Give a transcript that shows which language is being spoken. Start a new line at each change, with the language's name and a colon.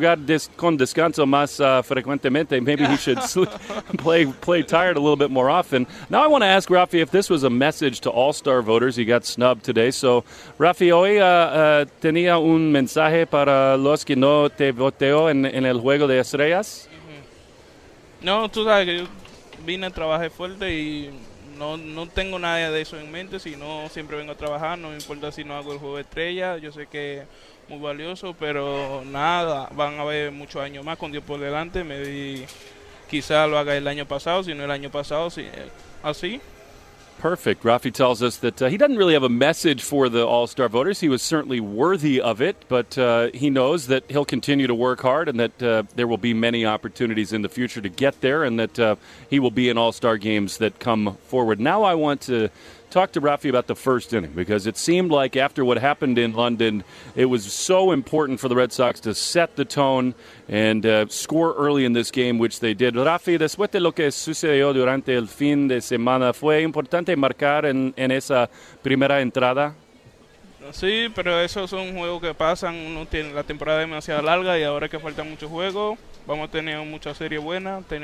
English: Maybe
Spanish: tal vez debes jugar con descanso más frecuentemente.
English: Maybe he should play tired a little bit more often. Now I want to ask Rafi if this was a message to All-Star voters. He got snubbed today.
Spanish: So Rafi, hoy tenía un mensaje para los que no te voteó en el juego de estrellas. No, tú sabes que yo vine, trabajé fuerte y No tengo nada de eso en mente, sino siempre vengo a trabajar, no me importa si no hago el juego de estrella, yo sé que es muy valioso, pero nada, van a haber muchos años más con Dios por delante, me di, quizá lo haga el año pasado, si no el año pasado, si, así.
English: Perfect. Rafi tells us that he doesn't really have a message for the All-Star voters. He was certainly worthy of it, but he knows that he'll continue to work hard and that there will be many opportunities in the future to get there and that he will be in All-Star games that come forward. Now I want to talk to Rafi about the first inning, because it seemed like after what happened in London, it was so important for the Red Sox to set the tone and score early in this game, which they did.
Spanish: Rafi, después de lo que sucedió durante el fin de semana, ¿fue importante marcar en esa primera entrada? Sí, pero esos son juegos que pasan. Uno tiene la temporada demasiado larga y ahora que faltan muchos juegos, vamos a tener mucha serie buena.